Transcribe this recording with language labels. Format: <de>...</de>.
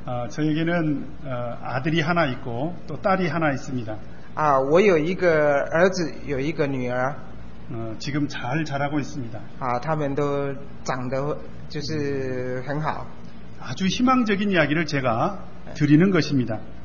<ko>저에게는 아들이 하나 있고 또 딸이 하나 있습니다.</ko> <zh>我有一个儿子，有一个女儿。</zh> <ko>지금 잘 자라고 있습니다.</ko> <zh>他们都长得就是很好。</zh> <ko>아주 희망적인 이야기를 제가 드리는 것입니다.</ko>